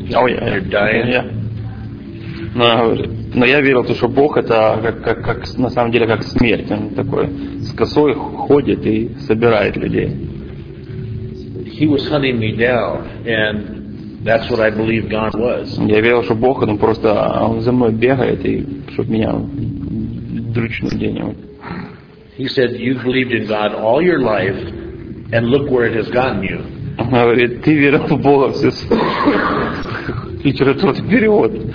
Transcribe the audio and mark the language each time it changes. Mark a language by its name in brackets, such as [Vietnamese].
[English] Oh yeah, yeah. You're dying. Yeah. [Russian] Но я верил, что Бог это как на самом деле как смерть. Он такой с косой ходит и собирает людей. [English] He was hunting me down, and that's what I believe God was. [Russian] Я верил, что Бог, он просто он за мной бегает и чтобы меня дрючнуть где-нибудь. [English] He said, "You've believed in God all your life, and look where it has gotten you." [Russian] Он говорит, ты верил в Бога всю свою литературный перевод.